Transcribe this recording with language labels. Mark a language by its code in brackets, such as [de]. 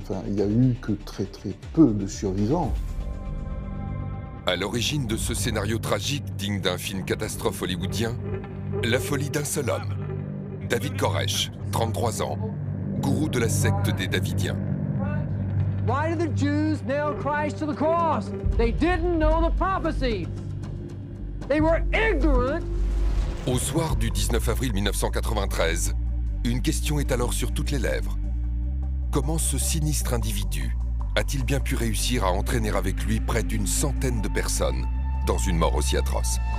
[fr] Enfin, il n'y a eu que très très peu de survivants. À l'origine de ce scénario tragique digne d'un film catastrophe hollywoodien, la folie d'un seul homme, David Koresh, 33 ans, gourou de la secte des Davidiens. [en] Why did the Jews nail Christ to the cross? They didn't know the prophecy. They were ignorant. [fr] Au soir du 19 avril 1993, une question est alors sur toutes les lèvres. Comment ce sinistre individu a-t-il bien pu réussir à entraîner avec lui près d'une centaine de personnes dans une mort aussi atroce?